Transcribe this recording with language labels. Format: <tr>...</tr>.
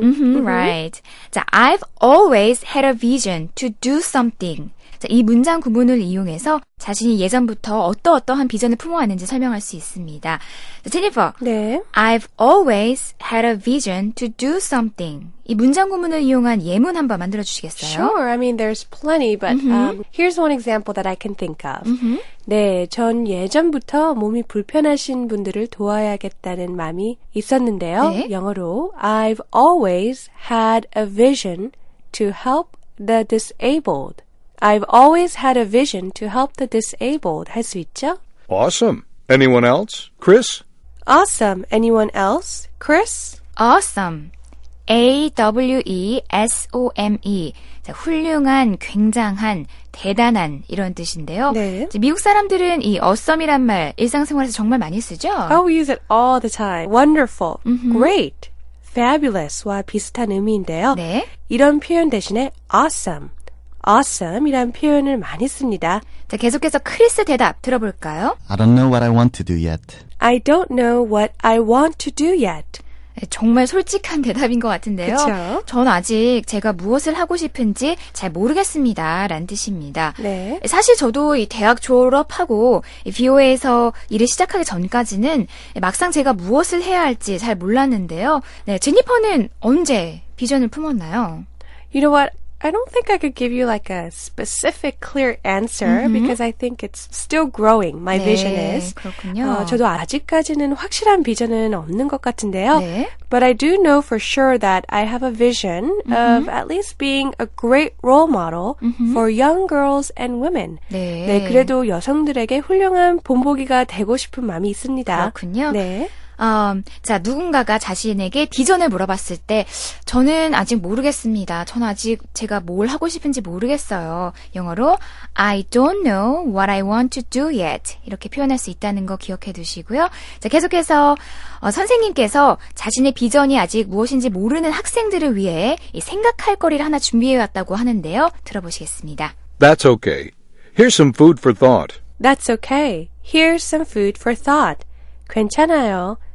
<en>Mm-hmm, right. 자, I've always had a vision to do something.</en> <ko>자, 이 문장 구문을 이용해서 자신이 예전부터 어떠어떠한 비전을 품어왔는지 설명할 수 있습니다. 자, 제니퍼, 네.</ko> <en>I've always had a vision to do something.</en> <ko>이 문장 구문을 이용한 예문 한번 만들어주시겠어요?</ko> <en>Sure, I mean there's plenty, but here's one example that I can think of. Mm-hmm.</en> <ko>네, 전 예전부터 몸이 불편하신 분들을 도와야겠다는 마음이 있었는데요. 네. 영어로</ko> <en>I've always had a vision to help the disabled. I've always had a vision to help the disabled.</en> <ko>할 수 있죠?</ko> <en>Awesome. Anyone else? Chris? Awesome. Anyone else? Chris? Awesome. A-W-E-S-O-M-E.</en> <ko>자, 훌륭한, 굉장한, 대단한 이런 뜻인데요. 네. 자, 미국 사람들은 이 awesome이란 말 일상생활에서 정말 많이 쓰죠?</ko> <en>Oh, we use it all the time. Wonderful. Mm-hmm.</en> <ko>Great. fabulous와 비슷한 의미인데요. 네. 이런 표현 대신에 awesome이란 표현을 많이 씁니다. 자, 계속해서 크리스 대답 들어볼까요?</ko> <en>I don't know what I want to do yet. I don't know what I want to do yet.</en> <ko>정말 솔직한 대답인 것 같은데요. 그쵸? 전 아직 제가 무엇을 하고 싶은지 잘 모르겠습니다. 라는 뜻입니다. 네. 사실 저도 이 대학 졸업하고 VOA에서 일을 시작하기 전까지는 막상 제가 무엇을 해야 할지 잘 몰랐는데요. 네, 제니퍼는 언제 비전을 품었나요?</ko> <en>You know what? I don't think I could give you like a specific clear answer mm-hmm. because I think it's still growing. My</en> <ko>네,</ko> <en>vision is.</en> <ko>그렇군요. 저도 아직까지는 확실한 비전은 없는 것 같은데요. 네.</ko> <en>But I do know for sure that I have a vision mm-hmm. of at least being a great role model mm-hmm. for young girls and women.</en> <ko>네. 네, 그래도 여성들에게 훌륭한 본보기가 되고 싶은 마음이 있습니다. 그렇군요. 네. 자, 누군가가 자신에게 비전을 물어봤을 때 저는 아직 모르겠습니다. 전 아직 제가 뭘 하고 싶은지 모르겠어요. 영어로</ko> <en>I don't know what I want to do yet.</en> <ko>이렇게 표현할 수 있다는 거 기억해 두시고요. 자, 계속해서 선생님께서 자신의 비전이 아직 무엇인지 모르는 학생들을 위해 생각할 거리를 하나 준비해 왔다고 하는데요. 들어보시겠습니다.</ko> <en>That's okay. Here's some food for thought. That's okay. Here's some food for thought.</en> <ko>괜찮아요.</ko>